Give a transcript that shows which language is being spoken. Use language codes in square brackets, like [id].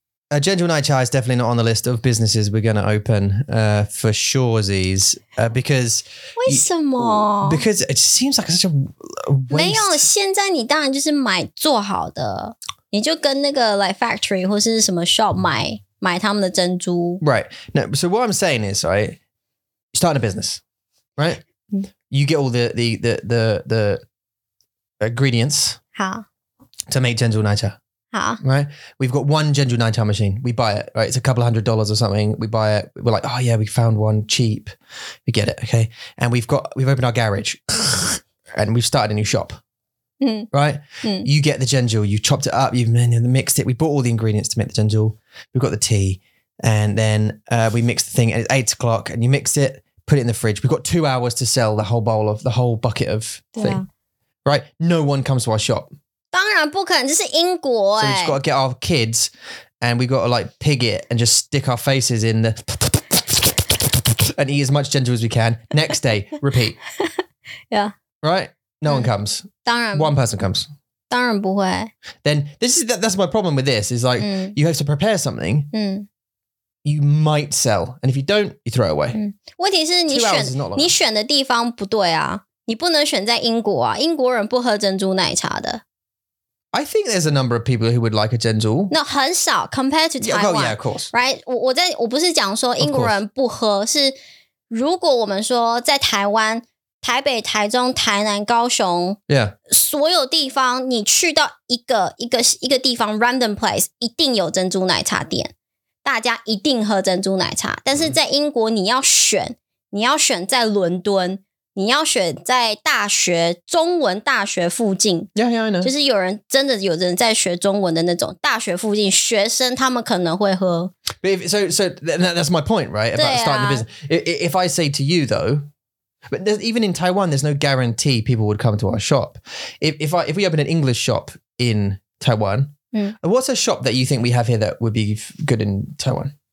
[en] A gentle night chai is definitely not on the list of businesses we're going to open for surezies because... [zh] 为什么? [en] Because it seems like such a waste. [zh] 没有,现在你当然就是买做好的。你就跟那个 [en] like factory [zh] 或是什么 shop 买他们的珍珠。 [en] Right. Now, so what I'm saying is, right, starting a business, right? You get all the ingredients [zh] 好. [en] to make gentle night chai. [zh] 好 [en] right, we've got one Genju Nai Chai machine. We buy it, right? It's a couple of hundred dollars or something. We buy it. We're like, oh yeah, we found one cheap. We get it, okay? And we've opened our garage and we've started a new shop, right? You get the Genju, you chopped it up, you've mixed it. We bought all the ingredients to make the Genju. We've got the tea and then we mix the thing at 8 o'clock and you mix it, put it in the fridge. We've got 2 hours to sell the whole bucket of thing, right? No one comes to our shop. [zh] 当然不可能，这是英国哎、欸。 [en] So we've just got to get our kids, and we've got to like pig it and just stick our faces in the and eat as much ginger as we can. Next day, repeat. yeah. Right. No one comes. [zh] 当然。 [en] One person comes. [zh] 当然不会。 [en] Then this is that's my problem with this is like、you have to prepare something. You might sell, and if you don't, you throw away. [zh] 问题是你选的地方不对啊，你不能选在英国啊，英国人不喝珍珠奶茶的。 [en] I think there's a number of people who would like a 珍珠. No, [zh] 很少 [en] compared to Taiwan. Yeah, oh, yeah, of course. Right? [zh] 我不是讲说英国人不喝，是如果我们说在台湾，台北、台中、台南、高雄， [en] yeah. [zh] 所有地方你去到一个地方 [en] random place， [zh] 一定有珍珠奶茶店，大家一定喝珍珠奶茶。但是在英国，你要选在伦敦。你要选在大学中文大学附近 [en] yeah, yeah, I know. [zh] 就是有人在学中文的那种大学附近学生他们可能会喝 [en] but if, so that's my point right about、啊、 starting the business if I say to you though but even in Taiwan there's no guarantee people would come to our shop if we open an English shop in Taiwan、what's a shop that you think we have here that would be good in Taiwan